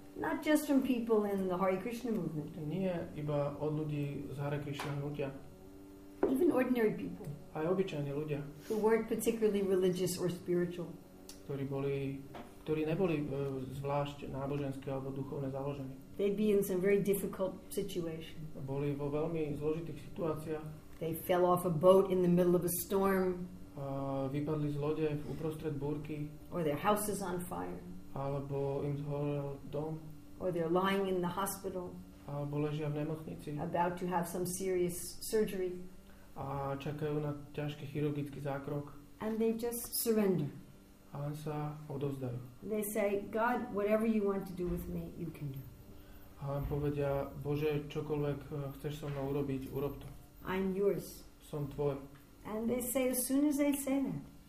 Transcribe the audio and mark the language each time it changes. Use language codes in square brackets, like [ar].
[en] Not just from people in the Hare Krishna movement. [sk] Nie iba od ľudí z Hare Krishna hnutia. [en] Even ordinary people. [sk] Aj obyčajní ľudia. [en] Who weren't particularly religious or spiritual. [sk] Ktorí neboli zvlášť náboženské alebo duchovne založení. [en] They'd be in some very difficult situation. [sk] Boli vo veľmi zložitých situáciách. [en] They fell off a boat in the middle of a storm. [sk] Vypadli z lode uprostred búrky. [en] Or their house is on fire. [sk] Alebo im zhorel dom. [en] Or they're lying in the hospital. [sk] Alebo ležia v nemocnici. [en] About to have some serious surgery. [sk] A čakajú na ťažký chirurgický zákrok. [en] And they just surrender. [sk] a len sa odovzdajú. [en] They say, God, whatever you want to do with me, you can do. [sk] A len povedia, Bože, čokoľvek chceš so mnou urobiť, urob to. [en] I'm yours. [sk] Som tvoj. [en] And they say, as soon as they say that.